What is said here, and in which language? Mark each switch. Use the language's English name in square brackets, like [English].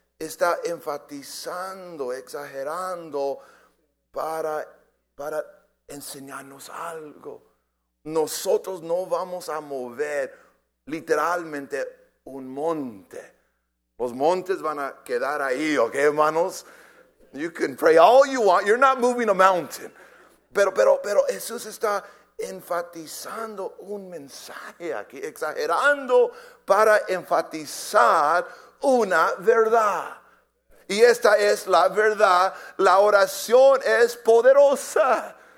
[Spanish] está enfatizando, exagerando para enseñarnos algo. Nosotros no vamos a mover literalmente un monte. Los montes van a quedar ahí, ¿ok, hermanos? [English] You can pray all you want. You're not moving a mountain. [Spanish] Pero Jesús está enfatizando un mensaje aquí, exagerando para enfatizar una verdad. Y esta es la verdad. La oración es poderosa.